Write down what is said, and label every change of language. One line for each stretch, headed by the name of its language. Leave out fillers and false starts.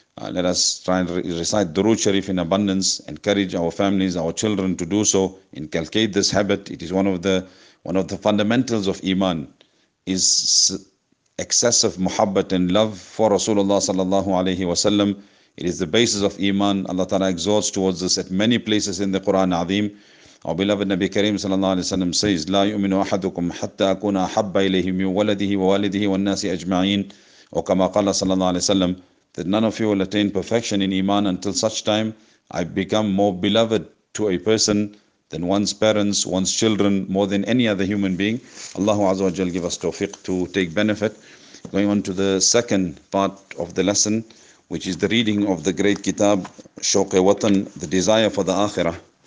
English: Let us try and recite Durood Sharif in abundance, encourage our families, our children to do so, inculcate this habit. It is one of the fundamentals of Iman, is excessive muhabbat and love for Rasulullah sallallahu alayhi wa sallam. It is the basis of Iman. Allah Ta'ala exhorts towards this at many places in the Quran Azeem. Our beloved Nabi Kareem sallallahu alayhi wa sallam says,
Arabic: لا يؤمن أحدكم حتى أكون أحب إليه من ولده ووالده والناس أجمعين.
English: Or
Arabic: كما قال صلى الله عليه وسلم,
English: that none of you will attain perfection in Iman until such time I become more beloved to a person than one's parents, one's children, more than any other human being. Allahu Azza wa Jal give us tawfiq to take benefit. Going on to the second part of the lesson, which is the reading of the great kitab, Shauqe Watan, The Desire for the Akhirah.